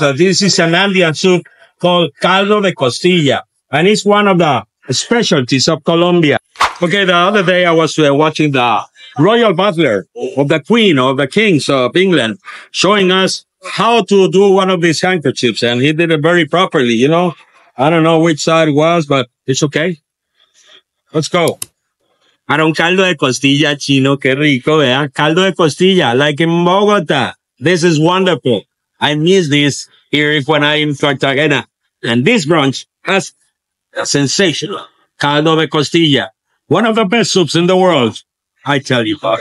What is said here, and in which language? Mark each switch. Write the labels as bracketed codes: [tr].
[en] This is an Andean soup called caldo de costilla, and it's one of the specialties of Colombia. Okay, the other day I was watching the royal butler of the queen or the kings of England showing us how to do one of these handkerchiefs, and he did it very properly. You know, I don't know which side it was, but it's okay. Let's go. [es] Para un caldo de costilla chino, qué rico, ¿verdad? [en] Caldo de costilla, like in Bogota. This is wonderful. I miss this here when I'm in Cartagena. And this brunch has a sensational caldo de costilla. One of the best soups in the world, I tell you.